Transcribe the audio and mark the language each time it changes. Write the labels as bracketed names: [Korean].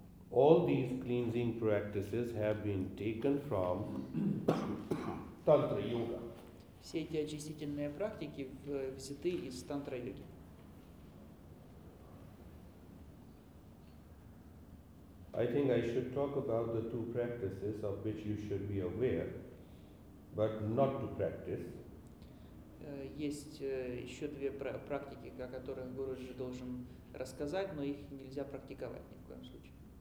[English] All these cleansing practices have been taken from Tantra Yoga. [Russian] Все эти очистительные практики взяты из Тантра Йоги. [English] I think I should talk about the two practices of which you should be aware, but not to practice. [Russian] Есть еще две практики, о которых Гуруджи должен рассказать, но их нельзя практиковать ни в коем случае.